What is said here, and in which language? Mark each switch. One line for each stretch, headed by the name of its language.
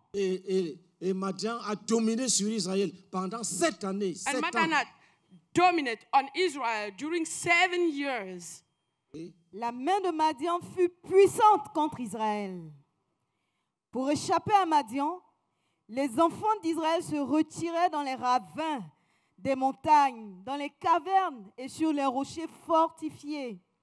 French: Et Madian a dominé sur Israël pendant 7 années.
English: And Madian had dominated on Israel during 7 years.
French: La main de Madian fut puissante contre Israël. Pour échapper à Madian, les enfants d'Israël se retiraient dans les ravins des montagnes, dans les cavernes et sur les rochers fortifiés.